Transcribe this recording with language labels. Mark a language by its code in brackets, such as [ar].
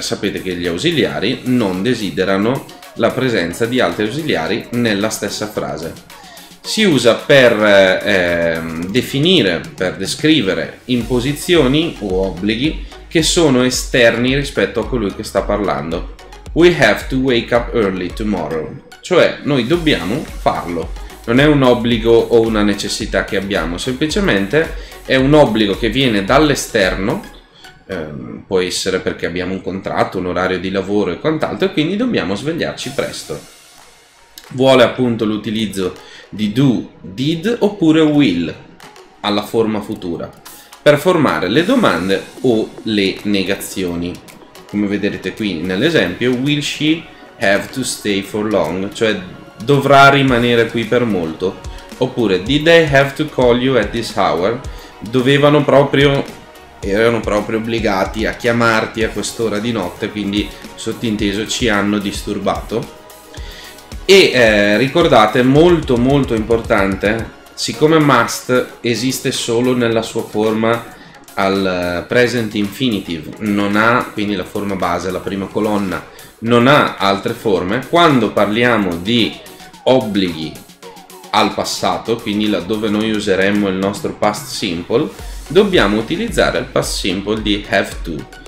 [it] Sapete che gli ausiliari non desiderano la presenza di altri ausiliari nella stessa frase. Si usa per definire, per descrivere imposizioni o obblighi che sono esterni rispetto a colui che sta parlando. [en] We have to wake up early tomorrow. [it] Cioè, noi dobbiamo farlo. Non è un obbligo o una necessità che abbiamo, semplicemente è un obbligo che viene dall'esterno, può essere perché abbiamo un contratto, un orario di lavoro e quant'altro, e quindi dobbiamo svegliarci presto. Vuole appunto l'utilizzo di do, did oppure will alla forma futura per formare le domande o le negazioni. Come vedrete qui nell'esempio, [en] will she have to stay for long? [it] Cioè dovrà rimanere qui per molto. Oppure [en] did they have to call you at this hour? [it] Dovevano proprio, erano proprio obbligati a chiamarti a quest'ora di notte, quindi sottinteso ci hanno disturbato. E ricordate, molto molto importante, siccome must esiste solo nella sua forma al present infinitive, non ha, quindi la forma base, la prima colonna, non ha altre forme, quando parliamo di obblighi al passato, quindi laddove noi useremmo il nostro past simple, dobbiamo utilizzare il past simple di have to.